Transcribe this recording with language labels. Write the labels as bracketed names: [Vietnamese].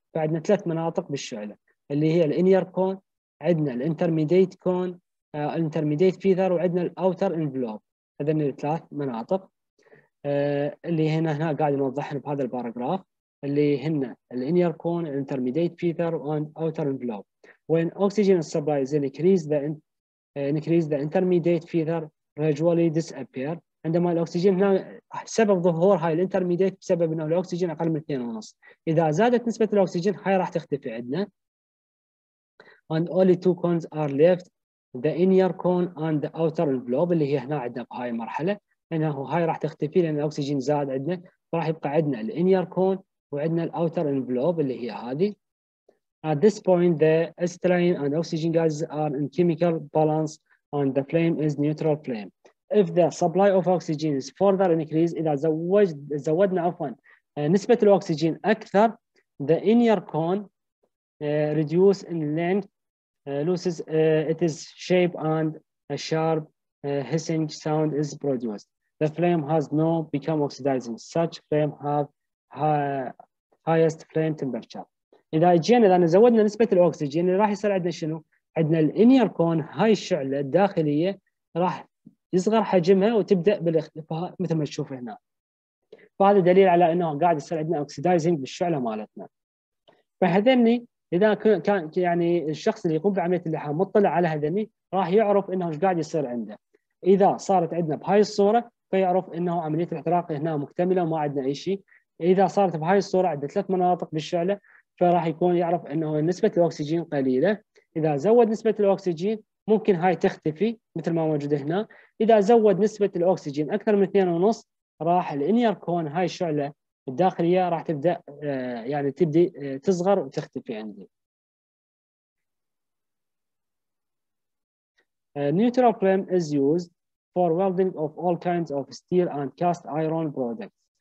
[Arabic] فعندنا ثلاث مناطق بالشعله اللي هي الانير كون، عندنا الانترميديت كون الانترميديت فيذر، وعندنا الاوتر انفلوب. هذين الثلاث مناطق اللي هنا قاعد نوضحهم بهذا الباراجراف اللي هن الانير كون الانترميديت فيذر اند اوتر انفلوب. [English] When oxygen supply is increased, the intermediate feather gradually disappear. [Arabic] عندما الأكسجين هنا سبب ظهور هاي الانترميديت بسبب انه الأكسجين اقل من 2.5. اذا زادت نسبة الأكسجين هاي راح تختفي عندنا. [English] And only two cones are left, the inner cone and the outer envelope [Arabic] اللي هي هنا عندنا بهاي المرحلة. انه هاي راح تختفي لان الأكسجين زاد عندنا، فراح يبقى عندنا الانير كون وعندنا الأوتر envelope اللي هي هذه. [English] At this point, the acetylene and oxygen gases are in chemical balance and the flame is neutral flame. If the supply of oxygen is further increased, [Arabic] إذا زودنا عفوا نسبة الأكسجين أكثر, [English] the inner cone reduces in length, loses its shape and a sharp hissing sound is produced. The flame has now become oxidizing. Such flame have highest flame temperature. [Arabic] إذا جينا إذا زودنا نسبة الأكسجين راح يصير عندنا شنو؟ عندنا الانير كون هاي الشعلة الداخلية راح يصغر حجمها وتبدأ بالاختفاء مثل ما تشوف هنا. فهذا دليل على أنه قاعد يصير عندنا أوكسيدايزنج بالشعلة مالتنا. فهذني إذا كان يعني الشخص اللي يقوم بعملية اللحام مطلع على هذني راح يعرف أنه ايش قاعد يصير عنده. إذا صارت عندنا بهاي الصورة فيعرف أنه عملية الاحتراق هنا مكتملة وما عندنا أي شيء. إذا صارت بهاي الصورة عندنا ثلاث مناطق بالشعلة فراح يكون يعرف انه نسبه الاكسجين قليله. اذا زود نسبه الاكسجين ممكن هاي تختفي مثل ما موجوده هنا. اذا زود نسبه الاكسجين اكثر من 2.5 راح الانير كون هاي الشعله الداخليه راح تبدا يعني تبدي تصغر وتختفي عندي. [English] Neutral flame is used for welding of all kinds of steel and cast iron products.